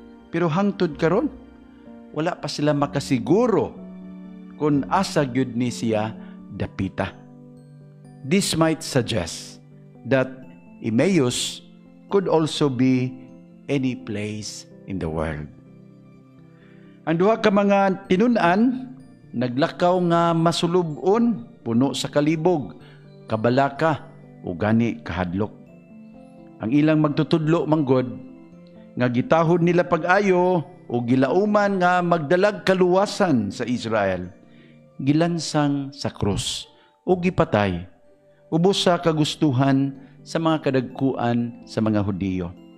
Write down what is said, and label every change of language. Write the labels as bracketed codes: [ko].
[ceb] Pero hangtod karon, wala pa sila makasiguro kung asa gyud ni siya dapita. [en] This might suggest that Emmaus could also be any place in the world. [ceb] Ang duha ka mga tinun-an naglakaw nga masulubon, puno sa kalibog, kabalaka o gani kahadlok. Ang ilang magtutudlo manggod nga gitahod nila pag-ayo o gilauman nga magdalag kaluwasan sa Israel, gilansang sa krus o gipatay, ubos sa kagustuhan sa mga kadagkuan sa mga Hudiyo.